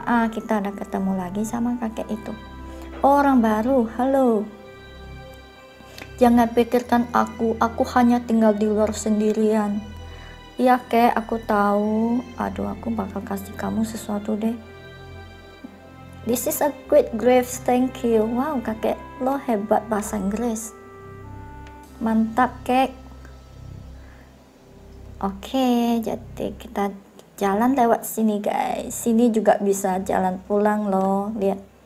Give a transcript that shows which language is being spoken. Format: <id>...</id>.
<id>Kita ada ketemu lagi sama kakek itu. Orang baru, halo. Jangan pikirkan aku hanya tinggal di luar sendirian. Iya, kek, aku tahu. Aduh, aku bakal kasih kamu sesuatu deh.</id> <en>This is a great gift, thank you.</en> <id>Wow, kakek lo hebat bahasa Inggris. Mantap kek. Oke, jadi kita jalan lewat sini guys. Sini juga bisa jalan pulang loh. Lihat.</id>